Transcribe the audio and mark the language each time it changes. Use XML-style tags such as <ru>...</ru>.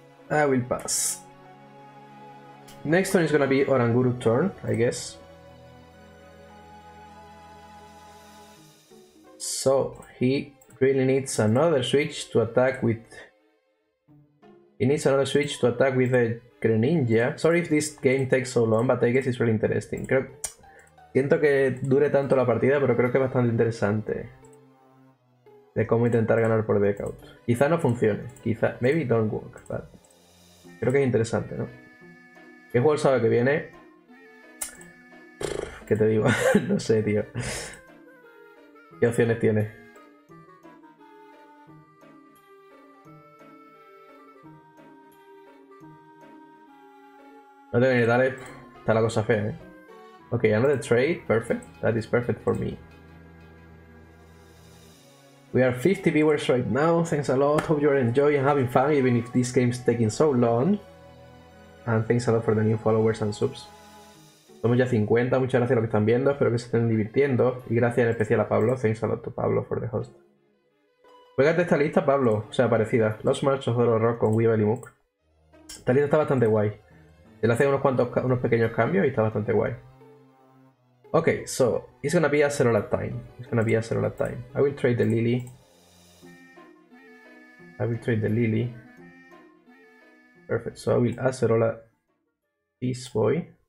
<en>I will pass. Next turn is gonna be Oranguru turn, I guess. So he really needs another switch to attack with. He needs another switch to attack with a Greninja. Sorry if this game takes so long, but I guess it's really interesting.</en> <es>Creo... Siento que dure tanto la partida, pero creo que es bastante interesante. De cómo intentar ganar por deckout. Quizá no funcione. Quizá...</es> <en>Maybe it don't work, but...</en> <es>Creo que es interesante, ¿no? ¿Qué juego sabe que viene? ¿Qué te digo? No sé, tío. ¿Qué opciones tiene? No tengo ni idea, está la cosa fea, eh.</es> <en>Ok, another trade, perfect. That is perfect for me. We are 50 viewers right now, thanks a lot. Hope you are enjoying and having fun, even if this game is taking so long. And thanks a lot for the new followers and subs.</en> <es>Somos ya 50, muchas gracias a los que están viendo, espero que se estén divirtiendo. Y gracias en especial a Pablo,</es> <en>thanks a lot to Pablo for the host.</en> <es>Juegas de esta lista, Pablo. O sea, parecida. Lost March of Zoro Rock con Weavile y Mook. Esta lista está bastante guay. Se le hacen unos pequeños cambios y está bastante guay.</es> <en>Ok, so, it's gonna be a zero lap time. It's gonna be a zero lap time. I will trade the Lily. I will trade the Lily. Perfect, so I will acerola this boy.</en>